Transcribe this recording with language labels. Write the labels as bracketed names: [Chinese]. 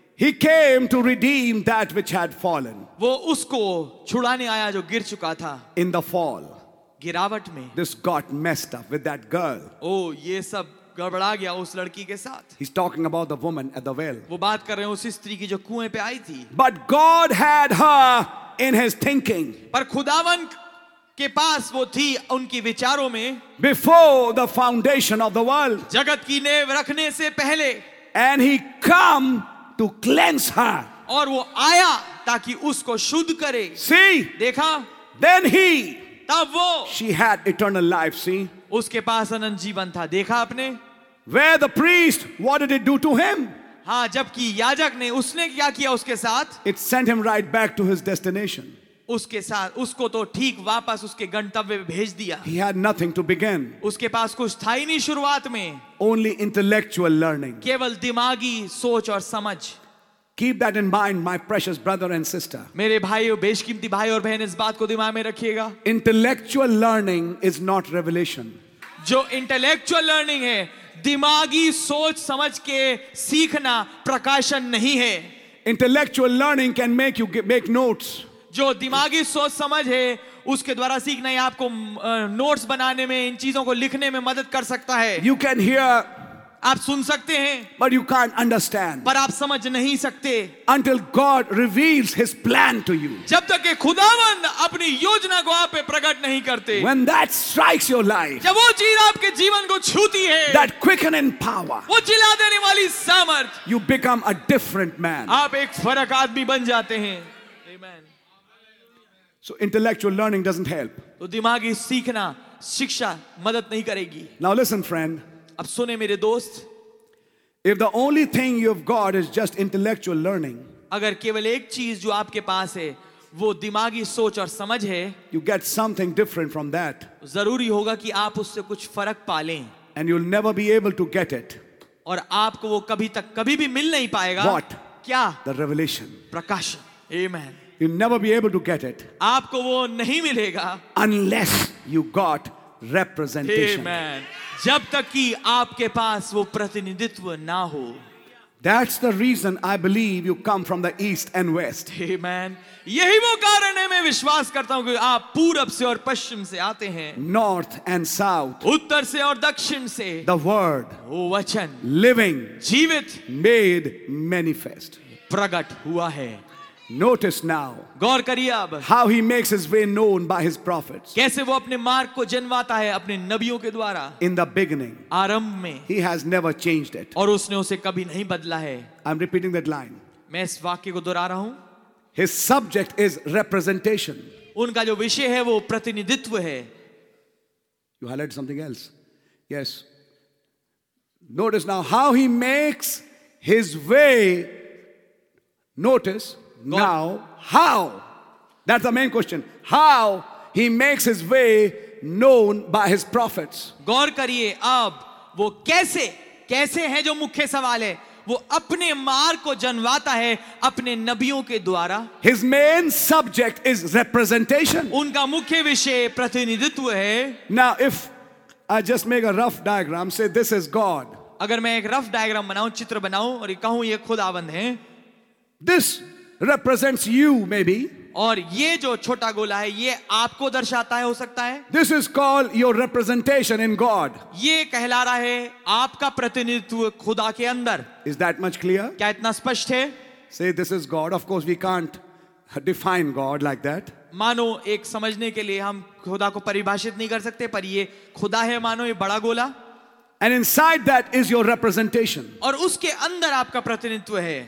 [English] He came to redeem that which had fallen. [Hindi] वो उसको छुड़ाने आया जो गिर चुका था. [English] In the fall. [Hindi] गिरावट में. [English] This got messed up with that girl. [Hindi] ओ ये सब गड़बड़ा गया उस लड़की के साथ. [English] He's talking about the woman at the well. [Hindi] वो बात कर रहे हैं उस स्त्री की जो कुएं पे आई थी. [English] But God had her in his thinking. [Hindi] पर खुदावन के पास वो थी उनकी विचारों में. [English] Before the foundation of the world. [Hindi] जगत की नींव रखने से पहले. [English] And he come to cleanse her. [Hindi] और वो आया ताकि उसको शुद्ध करे. [English] See? [Hindi] देखा? [English] Then he. [Hindi] तब वो. [English] She had eternal life. See? [Hindi] उसके पास अनंत जीवन था. देखा आपने? [English] Where the priest? What did it do to him? [Hindi] हाँ, जबकि याजक ने उसने क्या किया उसके साथ? [English] It sent him right back to his destination. [Hindi] उसके साथ उसको तो ठीक वापस उसके गंतव्य भेज दिया. [English] He had nothing to begin. [Hindi] उसके पास कुछ था ही नहीं शुरुआत में. [English] Only intellectual learning. [Hindi] केवल दिमागी सोच और समझ. [English] Keep that in mind, my precious brother and sister. [Hindi] मेरे भाइयों, बेशकीमती भाई और बहन, इस बात को दिमाग में रखिएगा. [English] Intellectual learning is not revelation. [Hindi] जो [English] intellectual learning [Hindi] है, दिमागी सोच समझ के सीखना प्रकाशन नहीं है. [English] Intellectual learning can make you make notes. [Hindi] जो दिमागी सोच समझ है उसके द्वारा सीखना ही आपको नोट्स बनाने में, इन चीजों को लिखने में मदद कर सकता है. [English] you can hear, [Hindi] आप सुन सकते हैं. [English] but you can't understand, [Hindi] पर आप समझ नहीं सकते. [English] until God reveals his plan to you, [Hindi] जब तक कि खुदावंद अपनी योजना को आप पे प्रकट नहीं करते. [English] when that strikes your life, [Hindi] जब वो चीज आपके जीवन को छूती है, [English] that quickening power, [Hindi] वो जिला देने वाली सामर्थ, [English] you become a different man, [Hindi] आप एक फर्क आदमी बन जाते हैं. [English] So intellectual learning doesn't help. [Hindi] तो दिमागी सीखना, शिक्षा मदद नहीं करेगी. [English] Now listen, friend. [Hindi] अब सुने मेरे दोस्त. [English] If the only thing you've got is just intellectual learning, [Hindi] अगर केवल एक चीज जो आपके पास है वो दिमागी सोच और समझ है, [English] you get something different from that. [Hindi] जरूरी होगा कि आप उससे कुछ फर्क पालें. [English] And you'll never be able to get it. [Hindi] और आपको वो कभी भी मिल नहीं पाएगा. [English] What? [Hindi] क्या? [English] The revelation. [Hindi] प्रकाशन. Amen. [English] You'll never be able to get it. [Hindi] आपको वो नहीं मिलेगा. [English] Unless you got representation. Amen. [Hindi] जब तक कि आपके पास वो प्रतिनिधित्व ना हो. [English] That's the reason I believe you come from the east and west. Amen. [Hindi] यही वो कारण है, मैं विश्वास करता हूँ कि आप पूरब से और पश्चिम से आते हैं. [English] North and south. [Hindi] उत्तर से और दक्षिण से. [English] The word. [Hindi] वो वचन. [English] Living. [Hindi] जीवित. [English] Made manifest. [Hindi] प्रकट हुआ है. [English] Notice now. [Hindi] गौर करिए अब. [English] How he makes his way known by his prophets. [Hindi] कैसे वो अपने मार्ग को जनवाता है अपने नबियों के द्वारा. [English] In the beginning. [Hindi] आरंभ में. [English] He has never changed it. [Hindi] और उसने उसे कभी नहीं बदला है. [English] I'm repeating that line. [Hindi] मैं इस वाक्य को दोहरा रहा हूँ. [English] His subject is representation. [Hindi] उनका जो विषय है वो प्रतिनिधित्व है. [English] You highlighted something else. Yes. Notice now how he makes his way. Notice. Now, how? That's the main question. How he makes his way known by his prophets. [Hindi] गौर करिए अब वो कैसे कैसे है जो मुख्य सवाल है. वो अपने मार्ग को जनवाता है अपने नबियों के द्वारा. [English] His main subject is representation. [Hindi] उनका मुख्य विषय प्रतिनिधित्व है. [English] Now, if I just make a rough diagram, say this is God. [Hindi] अगर मैं एक [English] rough diagram [Hindi] बनाऊं, चित्र बनाऊं और कहूं ये खुदावंद है. [English] This represents you, maybe. [Hindi] और ये जो छोटा गोला है ये आपको दर्शाता है, हो सकता है. [English] This is called your representation in God. [Hindi] ये कहला रहा है आपका प्रतिनिधित्व खुदा के अंदर. [English] Is that much clear? [Hindi] क्या इतना स्पष्ट है? [English] Say this is God. Of course, we can't define God like that. [Hindi] मानो एक समझने के लिए हम खुदा को परिभाषित नहीं कर सकते, पर ये खुदा है मानो ये बड़ा गोला. [English] And inside that is your representation. [Hindi] और उसके अंदर आपका प्रतिनिधित्व है.